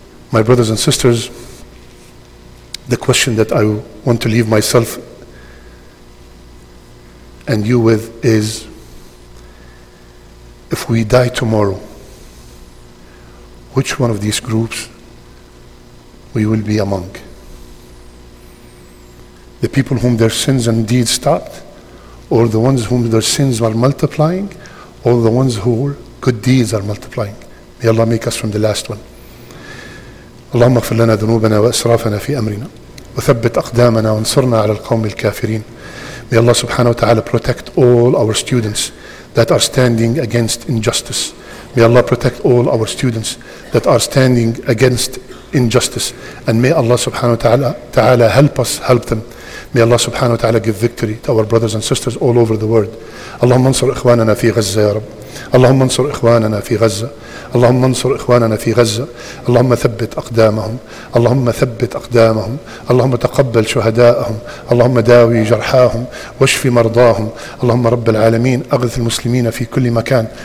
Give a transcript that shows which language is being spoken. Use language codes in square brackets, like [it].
[en] My brothers and sisters, the question that I want to leave myself and you with is, if we die tomorrow, which one of these groups we will be among? The people whom their sins and deeds stopped, or the ones whom their sins were multiplying, or the ones whose good deeds are multiplying? May Allah make us from the last one. [ar] اللهم اغفر لنا ذنوبنا وأسرافنا في أمرنا وثبت أقدامنا وانصرنا على القوم الكافرين. [en] May Allah subhanahu wa ta'ala protect all our students that are standing against injustice. May Allah protect all our students that are standing against injustice. And may Allah subhanahu wa ta'ala help us help them. May Allah subhanahu wa ta'ala give victory to our brothers and sisters all over the world. [ar] اللهم انصر إخواننا في غزة يا رب. اللهم انصر إخواننا في غزة. اللهم انصر إخواننا في غزة. اللهم ثبت أقدامهم. اللهم ثبت أقدامهم. اللهم تقبل شهداءهم. اللهم داوي جرحاهم واشفي مرضاهم. اللهم رب العالمين أغث المسلمين في كل مكان.